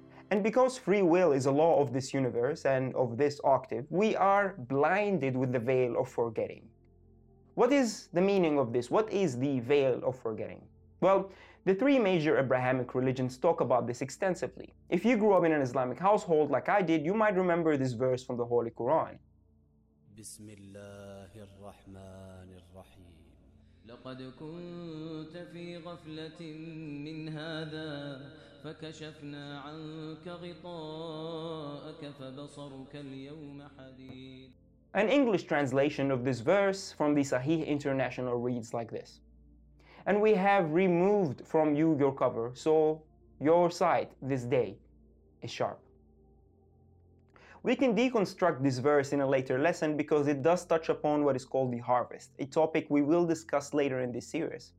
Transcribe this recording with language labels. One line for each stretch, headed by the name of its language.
English: And because free will is a law of this universe and of this octave, we are blinded with the veil of forgetting. What is the meaning of this? What is the veil of forgetting? Well, the three major Abrahamic religions talk about this extensively. If you grew up in an Islamic household like I did, you might remember this verse from the Holy Quran.
Arabic: بسم الله الرحمن الرحيم لقد كنت في غفلة من هذا فكشفنا عنك غطاءك فبصرك اليوم حديد.
English: An English translation of this verse from the Sahih International reads like this. And we have removed from you your cover, so your sight this day is sharp. We can deconstruct this verse in a later lesson because it does touch upon what is called the harvest, a topic we will discuss later in this series.